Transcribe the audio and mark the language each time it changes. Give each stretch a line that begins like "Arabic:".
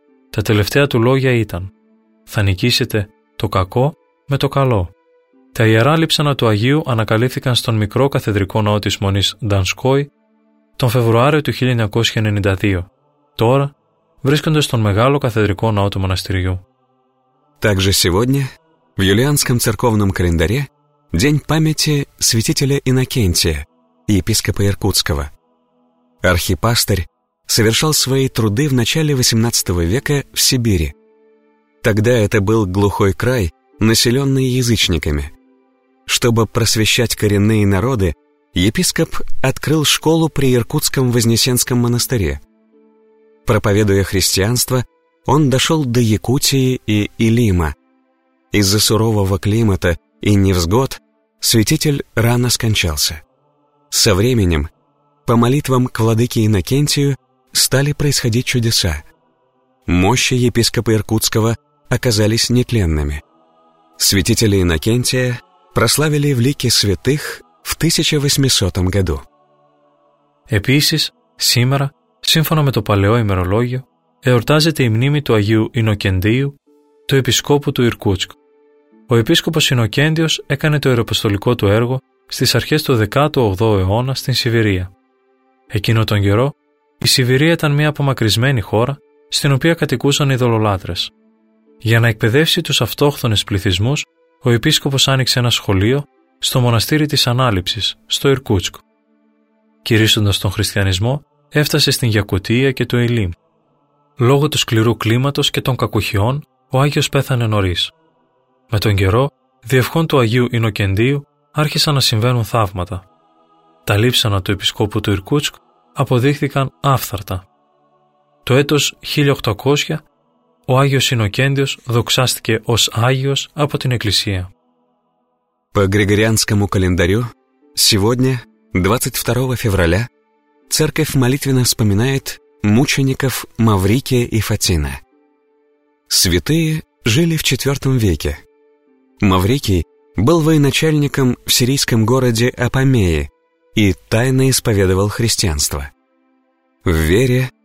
Greek: Τα τελευταία του λόγια ήταν: «Θα νικήσετε το κακό με το καλό». Τα ιερά λείψανα του Αγίου ανακαλύφθηκαν στον μικρό καθεδρικό ναό της Μονής Ντανσκόη τον Φεβρουάριο του 1992. Τώρα βρίσκονται στον μεγάλο καθεδρικό ναό του μοναστηριού.
Russian: Также сегодня в юлианском церковном календаре день памяти святителя Иннокентия, епископа Иркутского. Архипастырь совершал свои труды в начале XVIII века в Сибири. Тогда это был глухой край, населенный язычниками. Чтобы просвещать коренные народы, епископ открыл школу при Иркутском Вознесенском монастыре. Проповедуя христианство, он дошел до Якутии и Илима. Из-за сурового климата и невзгод святитель рано скончался. Со временем, по молитвам к владыке Иннокентию, стали происходить чудеса. Мощи епископа Иркутского оказались нетленными. Святителя Иннокентия прославили в лике святых в 1800 году.
Greek: Επίσης, σήμερα, σύμφωνα με το παλαιό ημερολόγιο, εορτάζεται η μνήμη του Αγίου Ινοκεντίου, του επισκόπου του Ιρκούτσκ. Ο επίσκοπος Ινοκέντιος έκανε το ιεροπαστολικό του έργο στις αρχές του 18ου αιώνα στην Σιβηρία. Εκείνο τον καιρό, η Σιβηρία ήταν μια απομακρυσμένη χώρα στην οποία κατοικούσαν οι δολολάτρες. Για να εκπαιδεύσει τους αυτόχθονες πληθυσμούς, ο επίσκοπος άνοιξε ένα σχολείο στο μοναστήρι της Ανάληψης, στο Ιρκούτσκ. Κηρύσσοντας τον χριστιανισμό, έφτασε στην Γιακουτία και το Ηλίμ. Λόγω του σκληρού κλίματος και των κακουχιών, ο Άγιος πέθανε νωρίς. Με τον καιρό, διευχών του Αγίου Ινοκεντίου άρχισαν να συμβαίνουν θαύματα. Τα λείψανα του επισκόπου του Ιρκούτσκ αποδείχθηκαν άφθαρτα. Το έτος 1800, ο Άγιος Ινοκέντιος δοξάστηκε ως Άγιος από την Εκκλησία.
Russian: По Григорианскому календарю, сегодня, 22 февраля, церковь молитвенно вспоминает мучеников Маврикия и Фатина. Святые жили в IV веке. Маврикий был военачальником в сирийском городе Апомее и тайно исповедовал христианство. В вере